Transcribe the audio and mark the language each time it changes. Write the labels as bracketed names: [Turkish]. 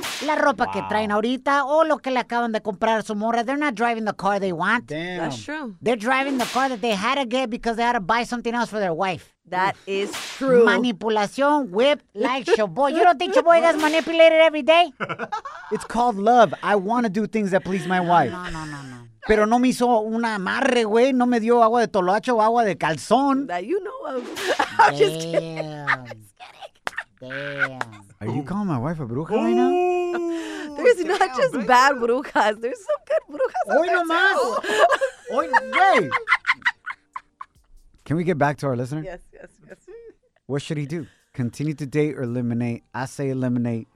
[Spanish] La ropa que traen ahorita o lo que le acaban de comprar a su morra, [English] they're not driving the car they want. Damn. That's true. They're driving the car that they had to get because they had to buy something else for their wife. That is true. Manipulación, whip, like Shaboy. You don't think Shaboy gets manipulated every day? It's called love. I want to do things that please my wife. No. [Spanish] Pero no me hizo una amarre, güey. No me dio agua de toloacho o agua de calzón. [English] That you know of. I'm just kidding. I'm just kidding. Damn. Are you calling my wife a bruja right now? There's not just bad brujas. There's some good brujas out there, [Spanish] nomás. [English] Too. [Spanish] Hoy nomás. Hoy, [English] can we get back to our listener? Yes. What should he do? Continue to date or eliminate? I say eliminate.